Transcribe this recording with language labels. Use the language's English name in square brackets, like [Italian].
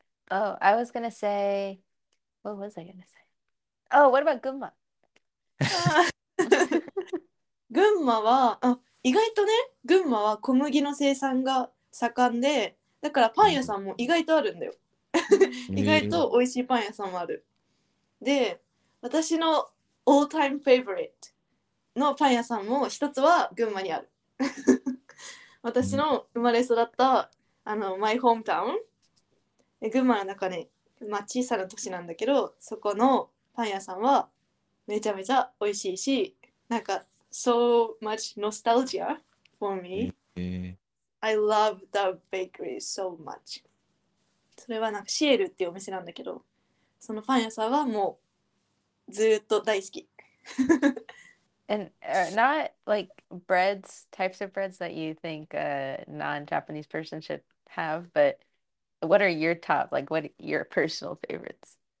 [English] Oh, I was gonna say, what was I gonna say? Oh, what about 群馬？ [Japanese] 群馬は、あ、意外とね、群馬は小麦の生産が盛んで、だからパン屋さんも意外とあるんだよ。意外と美味しいパン屋さんもある。で、私のオールタイムフェイブリットのパン屋さんも一つは群馬にある。私の生まれ育った、あの、マイホームタウン。群馬の中に、まあ、小さな都市なんだけど、そこのパン屋さんはめちゃめちゃ美味しいし、なんか、 [English] so much nostalgia for me. I love the bakery so much. [Japanese] それはなんかシエルっていうお店なんだけど、そのパン屋さんはもうずっと大好き。 [English] And not like breads, types of breads that you think a non-Japanese person should have, but what are your top, like what are your personal favorites?